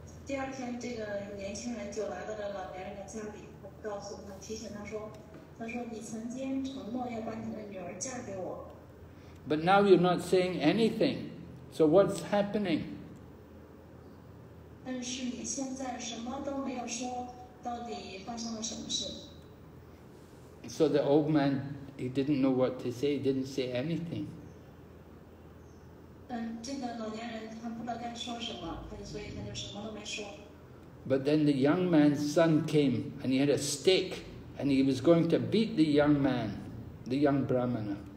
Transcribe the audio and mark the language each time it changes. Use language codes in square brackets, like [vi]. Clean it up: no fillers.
[zh] 第二天这个年轻人就来到了老男人的家里，告诉他，提醒他说，你曾经承诺要把你的女儿嫁给我。 [en] But now you're not saying anything. So what's happening? [zh] 但是你现在什么都没有说，到底发生了什么事？ [en] So the old man, he didn't know what to say, didn't say anything. [zh] 这个老年人他不知道该说什么，所以他就什么都没说。 [en] But then the young man's son came and he had a stick and he was going to beat the young man, the young brahmana.